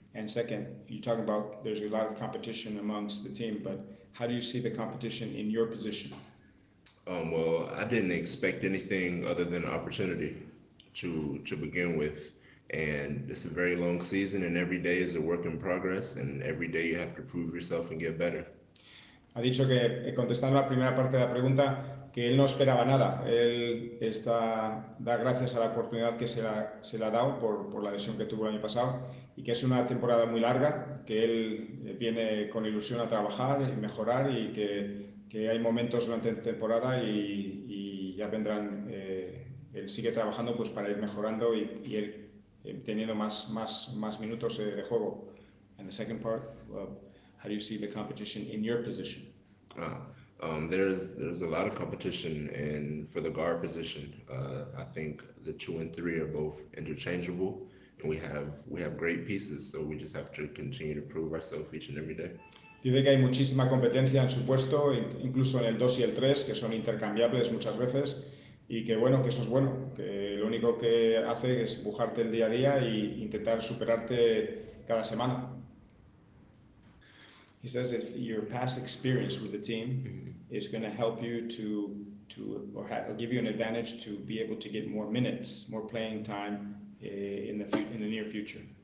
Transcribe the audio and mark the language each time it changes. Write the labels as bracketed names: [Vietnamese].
[English] And second, you talk about there's a lot of competition amongst the team, but how do you see the competition in your position? Well, I didn't expect anything other than opportunity to begin with. And it's a very long season and every day is a work in progress and every day you have to prove yourself and get better. [Spanish] Ha dicho que, contestando la primera parte de la pregunta, que él no esperaba nada. Él da gracias a la oportunidad que se le ha dado por la lesión que tuvo el año pasado y que es una temporada muy larga, que él viene con ilusión a trabajar y mejorar y que hay momentos durante la temporada y ya vendrán. Él sigue trabajando pues para ir mejorando y él teniendo más minutos de juego. [English] And the second part, how do you see the competition in your position? There's a lot of competition and for the guard position. I think the 2 and 3 are both interchangeable and we have great pieces, so we just have to continue to prove ourselves each and every day. [Spanish] Dice que hay muchísima competencia en su puesto, incluso en el 2 y el 3, que son intercambiables muchas veces, y que bueno, que eso es bueno, que lo único que hace es empujarte el día a día e intentar superarte cada semana. [English] He says if your past experience with the team is going to help you or give you an advantage to be able to get more minutes, more playing time in the near future.